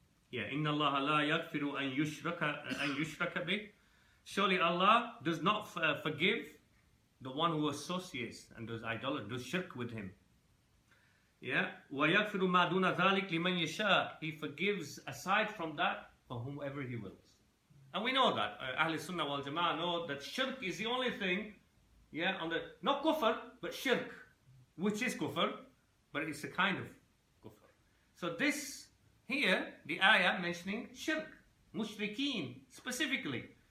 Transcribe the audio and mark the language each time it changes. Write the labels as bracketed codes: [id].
[ar] Yeah, إِنَّ اللَّهَ لَا يَغْفِرُ أَنْ يُشْرَكَ بِهِ. [en] Surely Allah does not forgive the one who associates and does idolatry, does shirk with him. [ar] Yeah, وَيَغْفِرُ مَا دُونَ ذَلِكَ لِمَنْ يَشَاءَ. [en] He forgives aside from that for whomever he wills. And we know that. Ahl Sunnah wal Jama'ah know that shirk is the only thing, yeah, on the, not kufr, but shirk, which is kufr, but it's a kind of kufr. So this, here, the ayah mentioning shirk, mushrikeen specifically.